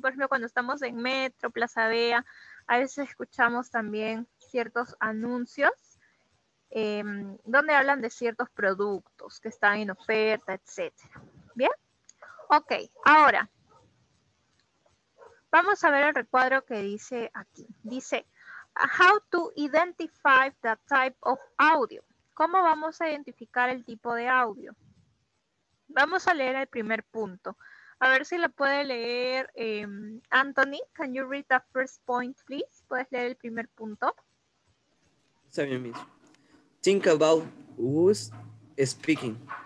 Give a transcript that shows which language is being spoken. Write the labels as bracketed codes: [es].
[es] Por ejemplo, cuando estamos en Metro, Plaza Vea, a veces escuchamos también ciertos anuncios donde hablan de ciertos productos que están en oferta, etcétera. ¿Bien? Ok, ahora vamos a ver el recuadro que dice aquí. Dice, [en] how to identify the type of audio. [es] ¿Cómo vamos a identificar el tipo de audio? Vamos a leer el primer punto. A ver si lo puede leer Anthony. [en] Can you read the first point, please? [es] ¿Puedes leer el primer punto? Está bien, [en] Miss. Think about who's speaking.